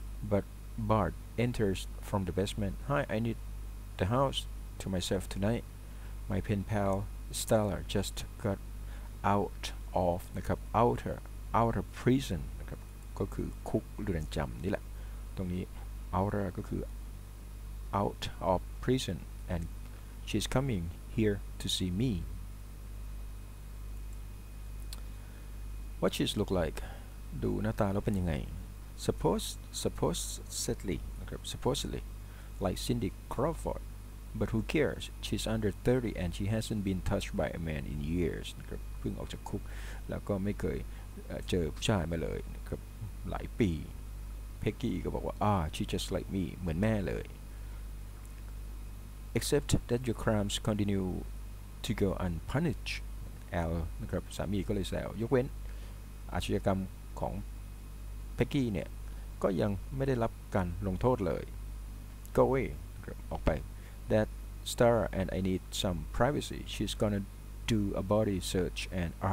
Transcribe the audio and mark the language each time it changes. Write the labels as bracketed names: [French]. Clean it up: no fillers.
[English] but Bart enters from the basement hi I need the house to myself tonight my pen pal Stella just got out of นะครับ outer prison [Thai] นะครับก็คือคุกเรือนจำนี่แหละตรงนี้ [English] outer [Thai] ก็คือ [English] out of prison andShe's coming here to see me. What she's look like? [Thai] ดูหน้าตาแล้วเป็นยังไง [English] Supposedly, okay, supposedly, like Cindy Crawford. But who cares? She's under 30 and she hasn't been touched by a man in years. [Thai] เพิ่งออกจากคุกแล้วก็ไม่เคยเจอผู้ชายมาเลยหลายปี Peggy ก็บอกว่า [English] she's just like me. [Thai] เหมือนแม่เลย [English] except that your crimes continue to go unpunished L [Thai] นะครับสามีก็เลยแซวยกเว้นอาชญากรรมของเพ็กกี้เนี่ยก็ยังไม่ได้รับการลงโทษเลย [English] go away [Thai] ออกไป [English] that star and I need some privacy she's gonna do a body search and